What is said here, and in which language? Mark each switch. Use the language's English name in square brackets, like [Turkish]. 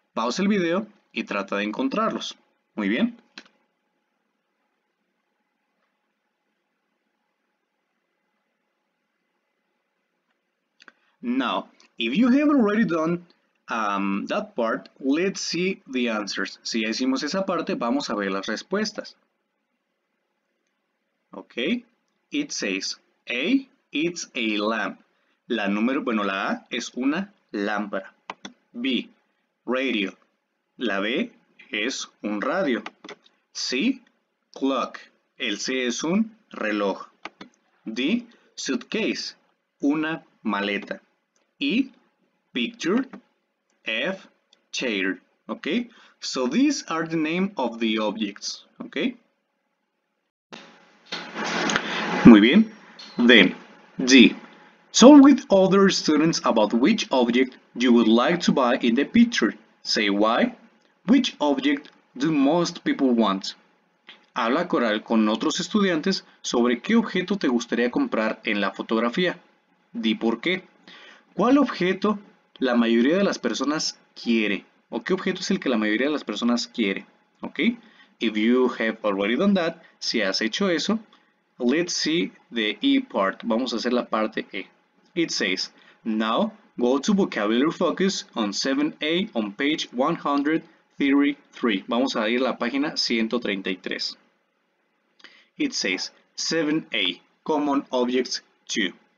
[Spanish] Pause el video y trata de encontrarlos. Muy bien. [English] Now, if you have already done that part, let's see the answers. [Spanish] Si ya hicimos esa parte, vamos a ver las respuestas. [English] Ok. It says, A, it's a lamp. [Spanish] La A es una lámpara. B, radio. La B es un radio. C, clock. El C es un reloj. D, suitcase. Una maleta. E, picture. [English] F, chair. ¿Ok? So, these are the name of the objects. ¿Ok? [Spanish] Muy bien. [English] Then, D. Talk with other students about which object you would like to buy in the picture. Say why. Which object do most people want? [Spanish] Habla con otros estudiantes sobre qué objeto te gustaría comprar en la fotografía. Di por qué. ¿Cuál objeto la mayoría de las personas quiere? ¿O qué objeto es el que la mayoría de las personas quiere? ¿Ok? [English] If you have already done that, [Spanish] si has hecho eso, [English] let's see the E part. [Spanish] Vamos a hacer la parte E. [English] It says, now go to vocabulary focus on 7A on page 100. 33. [Spanish] Vamos a ir a la página 133. [English] It says, 7A, common objects 2.